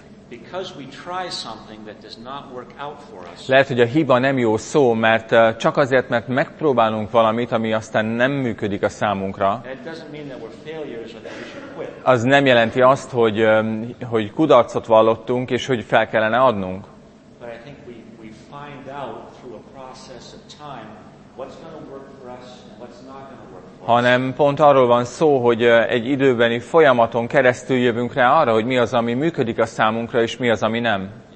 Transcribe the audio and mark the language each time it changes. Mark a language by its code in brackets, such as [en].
[en] Because we try something that does not work out for us. [hu] Lehet, hogy a hiba nem jó szó, mert csak azért, mert megpróbálunk valamit, ami aztán nem működik a számunkra. [en] It doesn't mean that we're failures or that we should quit. [hu] Az nem jelenti azt, hogy kudarcot vallottunk és hogy fel kellene adnunk. [en] But I think we find out through a process of time what's going to work for us and what's not going to work. [hu] Hanem pont arról van szó, hogy egy időbeni folyamaton keresztül jövünk rá arra, hogy mi az, ami működik a számunkra, és mi az, ami nem.